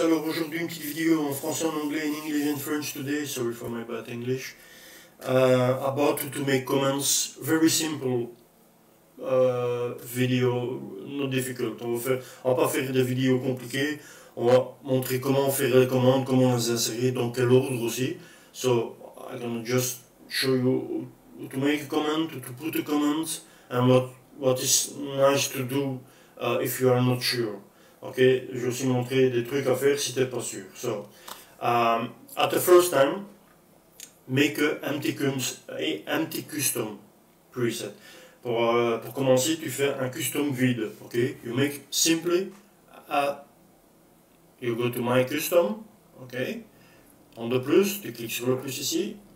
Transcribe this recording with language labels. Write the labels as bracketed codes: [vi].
[fr] Alors aujourd'hui une petite vidéo en français, en anglais, [en] in English and French today, sorry for my bad English, about to make comments, very simple video, not difficult. [fr] On va pas faire des vidéos compliquées, on va montrer comment faire les commandes, comment les insérer, dans quel ordre aussi. [en] So, I'm gonna just show you to make a comment, to put a comment, and what is nice to do if you are not sure. [fr] Ok, je vais aussi montrer des trucs à faire si tu n'es pas sûr. [en] So, at the first time, make an empty custom preset. [fr] Pour commencer, tu fais un custom vide. Ok, [en] you make simply a. You go to my custom. Ok, on the plus, [fr] tu cliques sur le plus ici.